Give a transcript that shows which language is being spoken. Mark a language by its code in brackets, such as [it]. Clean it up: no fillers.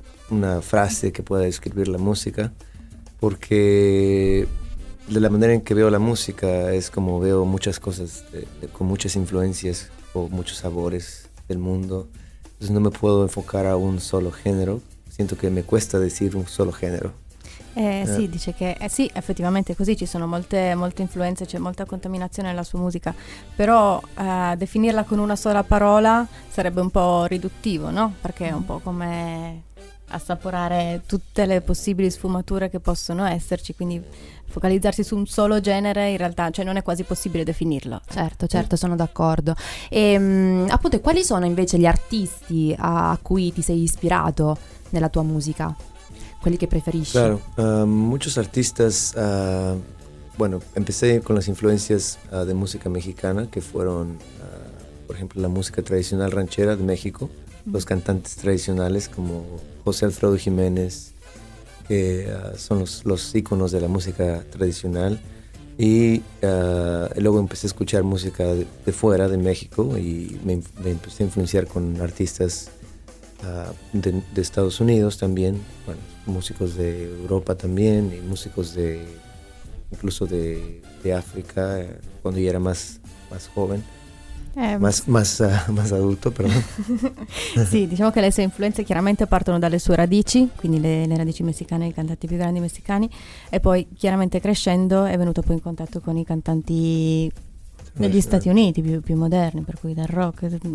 [es] una frase que pueda describir la música, porque de la manera en que veo la música es como veo muchas cosas con muchas influencias o muchos sabores del mundo, entonces no me puedo enfocar a un solo género. [it] Sento che mi [es] cuesta decir [it] un solo genere. Sì, dice che sì, effettivamente così, ci sono molte influenze, c'è molta contaminazione nella sua musica, però definirla con una sola parola sarebbe un po' riduttivo, no? Perché è un po' come assaporare tutte le possibili sfumature che possono esserci, quindi focalizzarsi su un solo genere in realtà, cioè non è quasi possibile definirlo. Certo, sono d'accordo. E appunto, quali sono invece gli artisti a cui ti sei ispirato nella tua musica, quelli che preferisci? [es] Claro, muchos artistas, bueno, empecé con las influencias de música mexicana, que fueron, por ejemplo, la música tradicional ranchera de México, los cantantes tradicionales como José Alfredo Jiménez, que son los íconos de la música tradicional, y luego empecé a escuchar música de fuera de México y me empecé a influenciar con artistas de Estados Unidos también, bueno, músicos de Europa también y músicos de incluso de África cuando yo era más joven, Más adulto, perdón. [it] Sì, diciamo che le sue influenze chiaramente partono dalle sue radici, quindi le radici messicane, i cantanti più grandi messicani, e poi chiaramente crescendo è venuto poi in contatto con i cantanti negli Stati Uniti più moderni, per cui dal rock.